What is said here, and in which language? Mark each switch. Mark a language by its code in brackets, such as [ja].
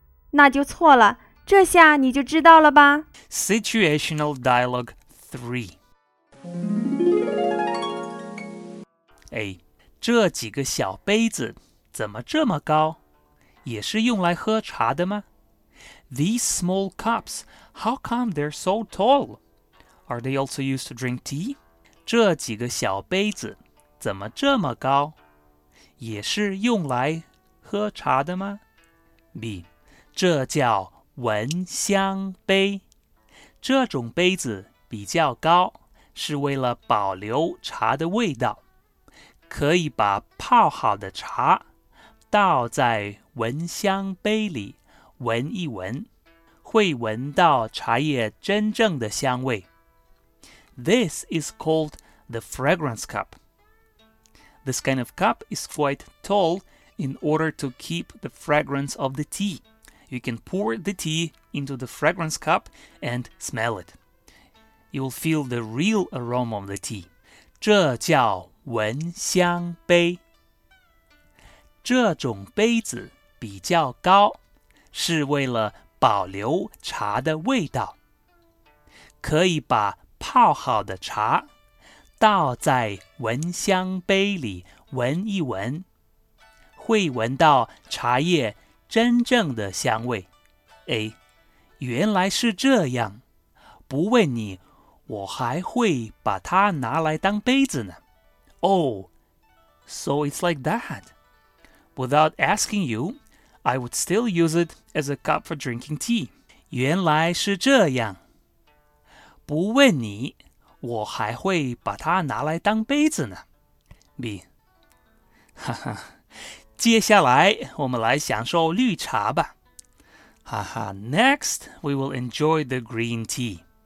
[zh] 那就错了，这下你就知道了吧。 [en] Situational Dialogue 3。 [zh] A， 这几个小杯子怎么这么高？也是用来喝茶的吗？ [en] These small cups, how come they're so tall? Are they also used to drink tea? [zh] 这几个小杯子怎么这么高？也是用来喝茶的吗？ B， 这叫闻香杯。这种杯子比较高，是为了保留茶的味道。可以把泡好的茶倒在闻香杯里闻一闻，会闻到茶叶真正的香味。 [en] This is called the fragrance cup. This kind of cup is quite tall in order to keep the fragrance of the tea. You can pour the tea into the fragrance cup and smell it. You will feel the real aroma of the tea. [zh] 这叫闻香杯。这种杯子比较高，是为了保留茶的味道。可以把泡好的茶倒在闻香杯里闻一闻，会闻到茶叶真正的香味。 A， 原来是这样，不问你，我还会把它拿来当杯子呢。 [en] Oh, so it's like that. Without asking you, I would still use it as a cup for drinking tea. [zh] 原来是这样，不问你，我还会把它拿来当杯子呢。 B， 哈哈，接下来我们来享受绿茶吧。 [en] 哈哈，Next, we will enjoy the green tea.